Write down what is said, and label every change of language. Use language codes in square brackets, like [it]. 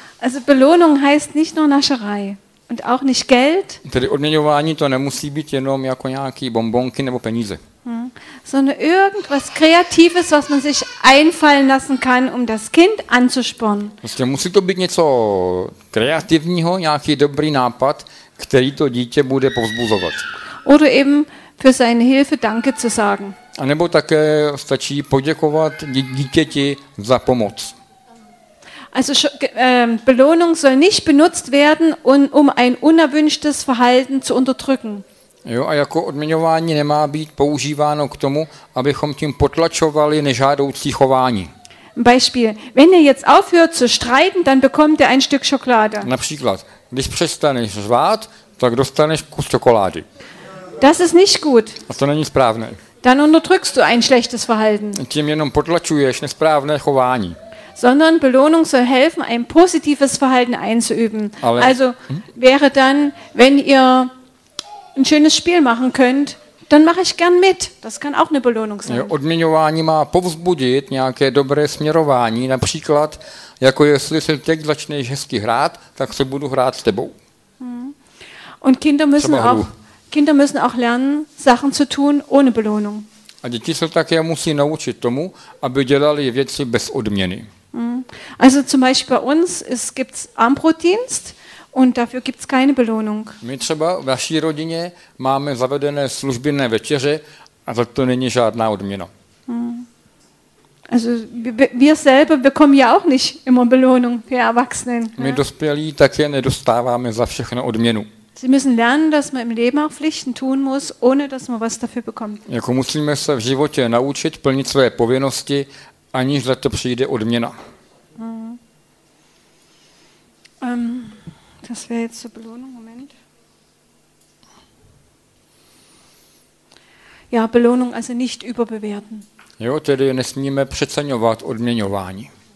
[de] Also Belohnung heißt nicht nur Nascherei und auch nicht Geld. [cs] Tedy odměňování to nemusí být jenom jako nějaký bonbonky nebo peníze. [de] Sondern irgendwas Kreatives, was man sich einfallen lassen kann, um das Kind anzuspornen. [cs] Prostě musí to být něco kreativního, nějaký dobrý nápad, který to dítě bude povzbuzovat. [de] Oder eben für seine Hilfe Danke zu sagen. [cs] A nebo také stačí poděkovat dítěti za pomoc. [de] Also Belohnung soll nicht benutzt werden, um ein unerwünschtes Verhalten zu unterdrücken. [cs] Jo, a jako odměňování nemá být používáno k tomu, abychom tím potlačovali nežádoucí chování. [de] Beispiel, wenn ihr jetzt aufhört zu streiten, dann bekommt ihr ein Stück Schokolade. [cs] Například, když přestaneš řvát, tak dostaneš kus čokolády. [de] Das ist nicht gut. [cs] A to není správné. [de] Dann unterdrückst du ein schlechtes Verhalten. [cs] Tím jenom potlačuješ nesprávné chování. [de] Sondern Belohnung soll helfen, ein positives Verhalten einzuüben. Also wäre dann, wenn ihr ein schönes Spiel machen könnt, dann mache ich gern mit. Das kann auch eine Belohnung sein. [cs] Odměňování má povzbudit nějaké dobré směrování, například jako jestli se teď začneš hezky hrát, tak se budu hrát s tebou. [de] Und Kinder müssen auch lernen, Sachen zu tun ohne Belohnung. [cs] A děti se také musí naučit tomu, aby dělali věci bez odměny. [de] Also zum Beispiel bei uns gibt es Armbrotdienst und dafür gibt es keine Belohnung. [cs] My třeba v naší rodině máme zavedené službinné večeře a za to není žádná odměna. [de] Also wir selber bekommen ja auch nicht immer Belohnung, wir Erwachsenen. [cs] My dospělí také nedostáváme za všechno odměnu. [de] Sie müssen lernen, dass man im Leben auch Pflichten tun muss, ohne dass man was dafür bekommt. [cs] Jako musíme se v životě naučit plnit své povinnosti, aniž za to přijde odměna. [de] Das wäre jetzt zur Belohnung, Moment. Ja, Belohnung also nicht überbewerten. [cs] Jo, tedy nesmíme přeceňovat odměňování.